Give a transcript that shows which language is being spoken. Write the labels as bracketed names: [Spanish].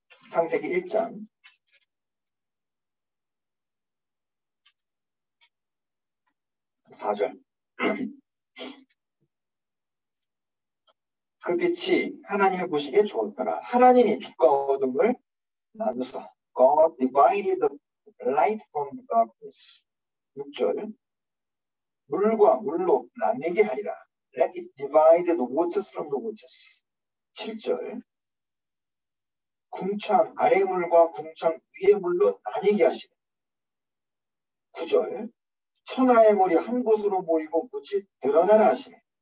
[Korean] 창세기 1장 4절 그 빛이 하나님의 보시기에 좋았더라. 하나님이 빛과 어둠을 나누사 [English] God divided the light from the darkness. [Korean] 6절 물과 물로 나뉘게 하리라. [English] Let it divide the waters from the waters. [Korean] 7절 궁창 아래 물과 궁창 위에 물로 나뉘게 하시네. 9절, 천하의 물이 한 곳으로 모이고 물이 드러나라 하시네.